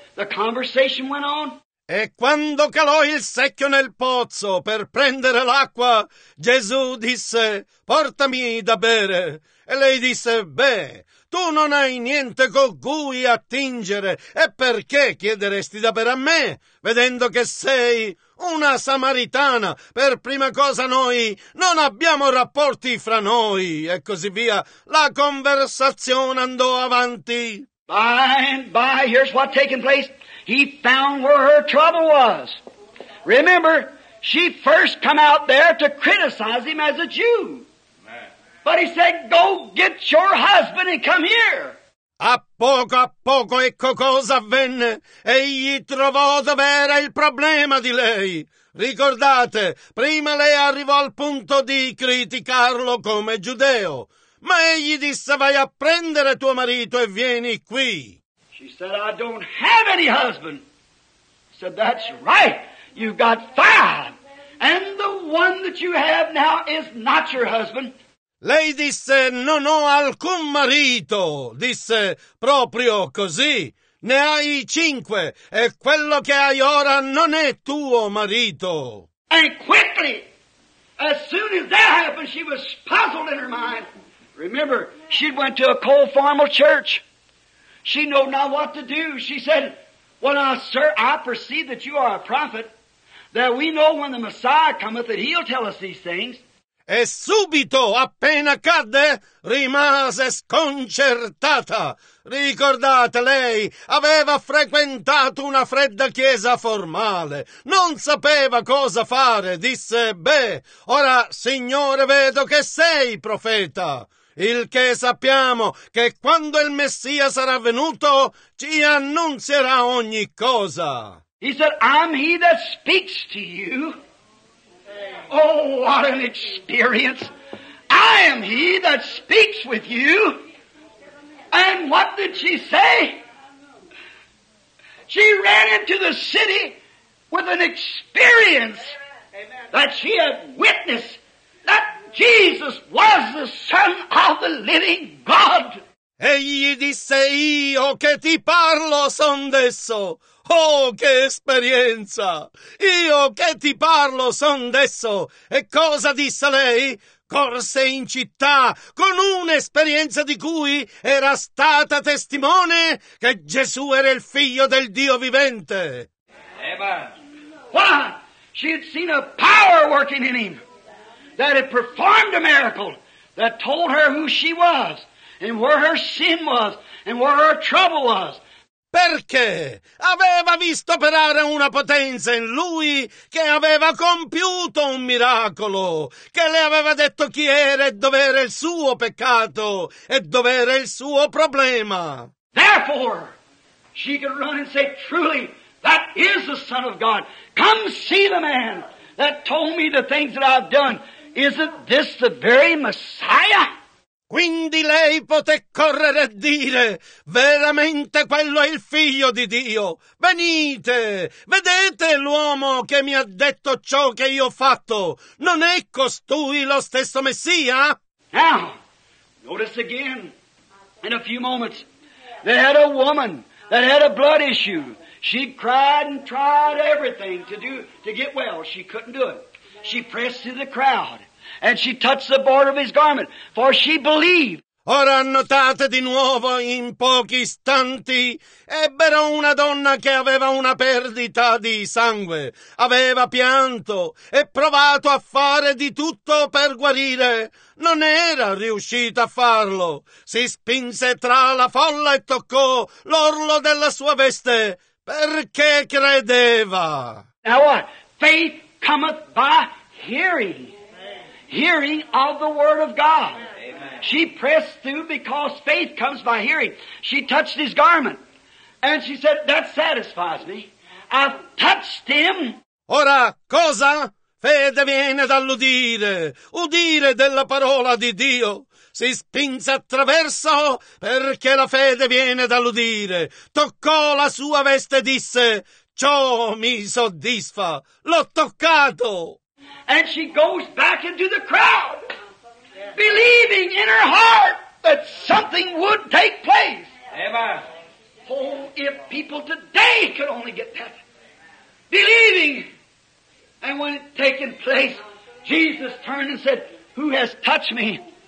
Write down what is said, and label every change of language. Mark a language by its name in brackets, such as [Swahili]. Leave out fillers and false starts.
[English] The conversation went on. [Italian] E quando calò il secchio nel pozzo per prendere l'acqua, Gesù disse, portami da bere. E lei disse, beh, tu non hai niente con cui attingere, e perché chiederesti da bere a me, vedendo che sei una samaritana? Per prima cosa noi non abbiamo rapporti fra noi, e così via. La conversazione andò avanti. [English] By and by, here's what taking place. He found where her trouble was. Remember, she first come out there to criticize him as a Jew. But he said, go get your husband and come here. [Italian] A poco, ecco cosa avvenne. Egli trovò dove era il problema di lei. Ricordate, prima lei arrivò al punto di criticarlo come giudeo. Ma egli disse, vai a prendere tuo marito e vieni qui. [English] She said, I don't have any husband. I said, that's right. You've got five. And the one that you have now is not your husband. [Italian] Lei disse, non ho alcun marito. Disse, proprio così. Ne hai cinque. E quello che hai ora non è tuo marito. [English] And quickly, as soon as that happened, she was puzzled in her mind. Remember, she went to a cold formal church. She knew not what to do. She said, Well now, sir, I perceive that you are a prophet, that we know when the Messiah cometh that he'll tell us these things. [Italian] E subito, appena cadde, rimase sconcertata. Ricordate, lei aveva frequentato una fredda chiesa formale. Non sapeva cosa fare. Disse, beh, ora, Signore, vedo che sei profeta. Il che sappiamo che quando il Messia sarà venuto, ci annunzierà ogni cosa. [English] He said, I'm he that speaks to you. Oh, what an experience. I am he that speaks with you. And what did she say? She ran into the city with an experience that she had witnessed that Jesus was the Son of the living God. [Italian] Egli disse, io che ti parlo son desso. Oh, che esperienza! Io che ti parlo son desso. E cosa disse lei? Corse in città con un'esperienza di cui era stata testimone che Gesù era il figlio del Dio vivente. Eva. [English] Why? She had seen a power working in him. that had performed a miracle, that told her who she was, and where her sin was, and where her trouble was. [Italian] Perché aveva visto operare una potenza in lui che aveva compiuto un miracolo, che le aveva detto chi era e dov'era il suo peccato e dov'era il suo problema. [English] Therefore, she could run and say, truly, that is the Son of God. Come see the man that told me the things that I've done. Isn't this the very Messiah? [Italian] Quindi lei poté correre a dire, veramente quello è il figlio di Dio. Venite, vedete l'uomo che mi ha detto ciò che io ho fatto. Non è costui lo stesso Messia? [English] Now, notice again, in a few moments, they had a woman that had a blood issue. She cried and tried everything to get well. She couldn't do it. She pressed through the crowd. And she touched the border of his garment, for she believed. [Italian] Ora notate di nuovo, in pochi istanti, ebbero una donna che aveva una perdita di sangue, aveva pianto e provato a fare di tutto per guarire. Non era riuscita a farlo. Si spinse tra la folla e toccò l'orlo della sua veste, perché credeva. [English] Now what? Faith cometh by hearing. Hearing of the word of God. Amen. She pressed through because faith comes by hearing. She touched his garment. And she said, that satisfies me. I've touched him. [Italian] Ora, cosa? Fede viene dall'udire. Udire della parola di Dio. Si spinse attraverso perché la fede viene dall'udire. Toccò la sua veste e disse, ciò mi soddisfa. L'ho toccato. [English] And she goes back into the crowd, believing in her heart that something would take place. Amen. Oh, if people today could only get that. Believing. And when it taken place, Jesus turned and said, who has touched me?